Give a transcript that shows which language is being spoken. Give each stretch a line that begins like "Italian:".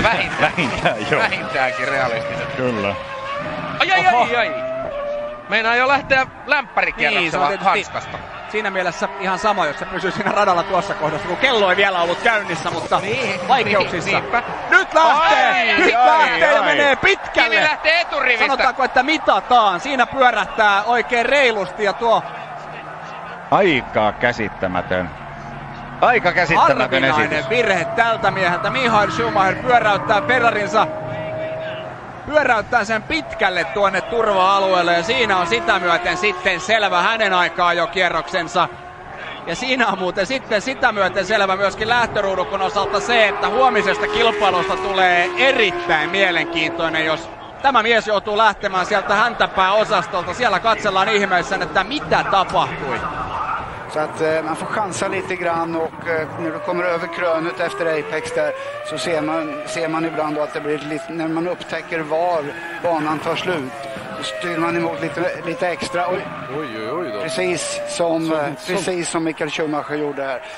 Japanese: 入り込んでどんどんコーナーがね厳しくなるようなところっていうのは得意なんですよ。ラインだ、ラインだ、ラインだ、キレアレスだ。クルラ。 Ai.
Finnish: Meinaa jo lähteä lämpärikierroksella hanskasta. Siinä mielessä ihan sama, jos se pysyy siinä radalla tuossa kohdassa, kun kello ei vielä ollut käynnissä, mutta niin, vaikeuksissa. Niinpä. Nyt lähtee! Nyt lähtee ja menee pitkälle! Kimi lähtee eturivistä! Sanotaanko, että mitataan? Siinä pyörähtää oikein reilusti ja tuo... Aika käsittämätön esitys. Harvinainen virhe tältä mieheltä. Michael Schumacher pyöräyttää Ferrarinsa. Pyöräyttää sen pitkälle tuonne turva-alueelle ja siinä on sitä myöten sitten selvä hänen aikaa jo kierroksensa. Ja siinä on muuten sitten sitä myöten selvä myöskin lähtöruudukun osalta se, että huomisesta kilpailusta tulee erittäin mielenkiintoinen, jos tämä mies joutuu lähtemään sieltä häntäpää osastolta. Siellä katsellaan ihmeessään, että mitä tapahtui.
Swedish: Så att man får chansa lite grann och när du kommer över krönet efter Apex där så ser man ibland då att det blir lite, när man upptäcker var banan tar slut så styr man emot lite extra och oj då. Precis som Michael Schumacher gjorde här.